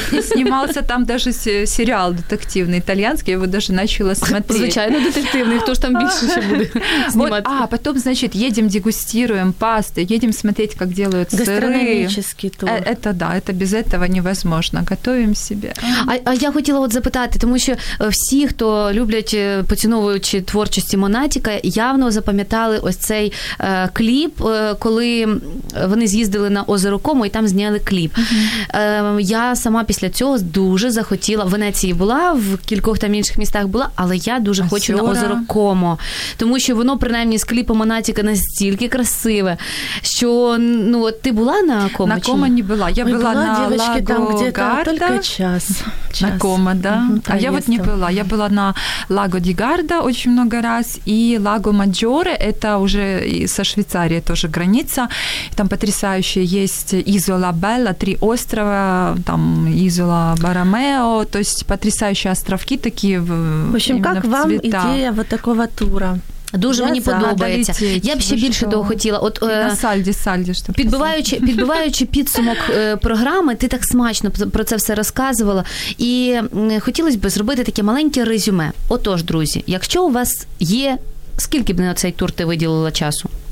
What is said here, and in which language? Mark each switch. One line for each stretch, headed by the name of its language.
Russian: Снимался там даже сериал детективный итальянский, я его даже начала смотреть.
Ukrainian: Звичайно
Russian: детективный, кто ж там больше еще будет сниматься? А потом, значит, едем, дегустируем пасты, едем смотреть, как делают сыры. Гастрономический тур. Это да, это без этого невозможно. Готовим себе.
Ukrainian: А я хотела вот запитати, тому що всі, хто люблять, поціновуючи творчості Монатіка, явно запам'ятали ось цей кліп, коли вони з'їздили на озеро Комо і там зняли кліп. Я сама після цього дуже захотіла, в Венеції була в кілька декількох там інших містах була, але я дуже хочу на озеро Комо, тому що воно принаймні з кліпом Монатіка настільки красиве, що ну от ти була на Комо? На Комо не була. Я була на Лаго-ді-Гарда. На Комо, да? А я от не була. Я була на Лаго-ді-Гарда дуже багато раз і Лаго-Маджоре, це вже з Швейцарії теж границя.
Russian: Там потрясающе є Ізола Белла, три острова, там Ізола Барамео, то есть потрясающие островки такі. В общем, как вам ідея вот такого тура?
Ukrainian: Дуже мені подобається. Я б ще більше того хотіла. От, на сальді, що підбиваючи підсумок програми, ти так смачно про це все розказувала. І хотілося б зробити таке маленьке резюме. Отож, друзі, якщо у вас є, скільки б на цей тур ти виділила часу?